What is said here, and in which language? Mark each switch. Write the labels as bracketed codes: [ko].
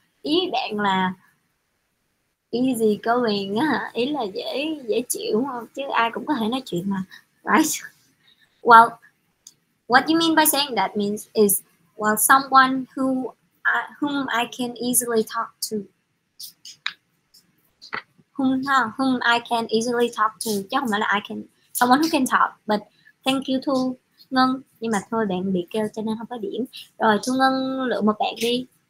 [vi] Ý bạn là [en] easy going [vi] á, ý là dễ chịu không? Chứ ai cũng có thể nói chuyện mà, [en] right? Well, what you mean by saying that means is, well, someone whom I can easily talk to. Whom I can easily talk to. [vi] Chứ không phải là [en] I can, someone who can talk. But thank you to Ngân. [vi] Nhưng mà thôi bạn bị kêu cho nên không có điểm. Rồi Thu Ngân lựa một bạn đi.